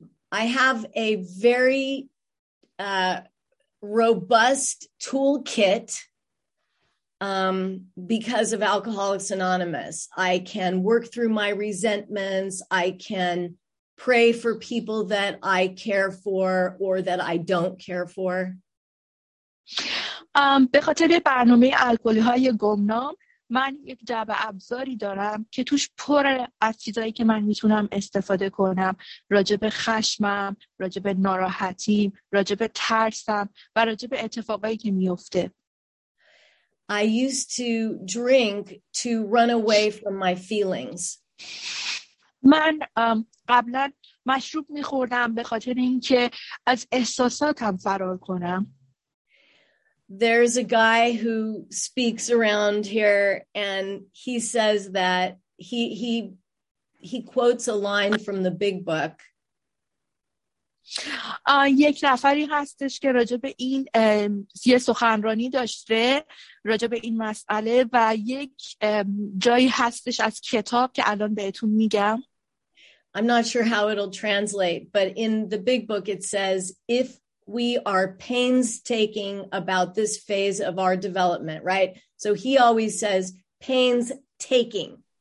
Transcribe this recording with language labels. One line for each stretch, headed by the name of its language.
English: I have a very robust toolkit because of Alcoholics Anonymous. I can work through my resentments. I can pray for people that I care for or that I don't care for.
Persian: به خاطر برنامه الکلی‌های گمنام من یک جعبه ابزاری دارم که توش پر از چیزایی که من میتونم استفاده کنم راجب خشمم، راجب ناراحتیم، راجب ترسم و راجب اتفاقایی که میفته.
English: I used to drink to run away from my feelings.
Persian: من قبلا مشروب می‌خوردم به خاطر اینکه از احساساتم فرار کنم.
English: There's a guy who speaks around here and he says that he quotes a line from the big book.
Persian: یک نفری هستش که راجع به این یه سخنرانی داشته راجع به این مسئله و یک جایی هستش از کتاب که الان بهتون میگم.
English: I'm not sure how it'll translate, but in the big book it says, if we are painstaking about this phase of our development, right? So he always says, painstaking.